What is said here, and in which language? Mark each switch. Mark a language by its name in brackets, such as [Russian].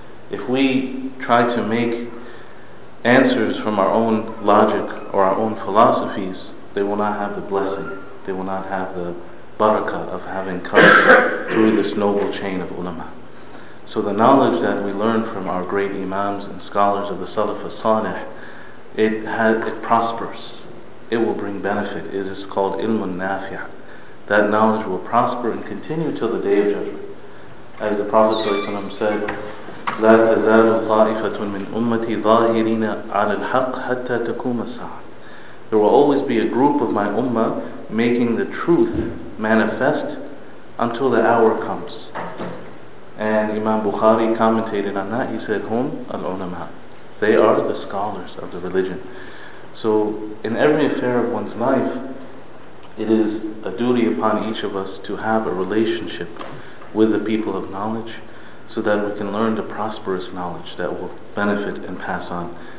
[English] If we try to make answers from our own logic or our own philosophies, they will not have the blessing, they will not have the barakah of having come through this noble chain of ulama. So the knowledge that we learn from our great imams and scholars of the Salaf as-Salih, it prospers, it will bring benefit. It is called ilmun nafi'ah. That knowledge will prosper and continue till the day of judgment. As the Prophet ﷺ said, [Arabic] لَا تَزَالُ طَائِفَةٌ مِّنْ أُمَّتِي ظَاهِرِينَ عَلَى الْحَقِّ حَتَّى تَكُومَ السَّاعَةِ. [English] There will always be a group of my ummah making the truth manifest until the hour comes. And Imam Bukhari commentated on that. He said, [Arabic] "Hum al-ulama." [English] They are the scholars of the religion. So in every affair of one's life, it is a duty upon each of us to have a relationship with the people of knowledge, so that we can learn the prosperous knowledge that will benefit and pass on.